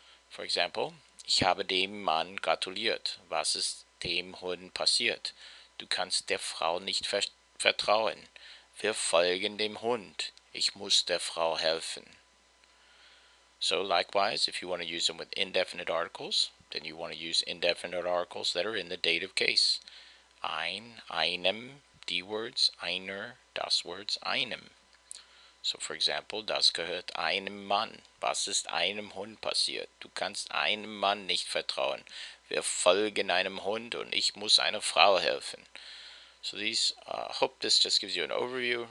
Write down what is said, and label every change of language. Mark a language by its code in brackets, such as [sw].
[en] For example, [de] ich habe dem Mann gratuliert. Was ist dem Hund passiert? Du kannst der Frau nicht vertrauen. Wir folgen dem Hund. Ich muss der Frau helfen. [en] So likewise, if you want to use them with indefinite articles, then you want to use indefinite articles that are in the dative case. [de] Ein, einem, [en] D words, [de] einer, das words, einem. [en] So for example, [de] das gehört einem Mann. Was ist einem Hund passiert? Du kannst einem Mann nicht vertrauen. Wir folgen einem Hund und ich muss einer Frau helfen. [en] So these, hope this just gives you an overview.